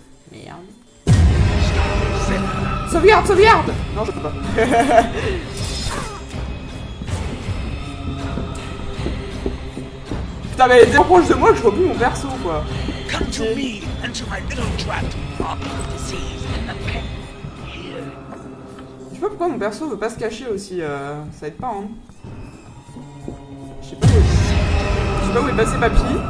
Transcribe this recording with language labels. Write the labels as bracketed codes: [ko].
[fr] Merde. Sauvegarde, sauvegarde. Non, je peux pas. Putain, mais elle est proche de moi que je vois plus mon perso, quoi. [en] Come to me and to my little trap. [fr] Je sais pas pourquoi mon perso veut pas se cacher aussi, ça aide pas, hein. Je sais pas où est passé papy.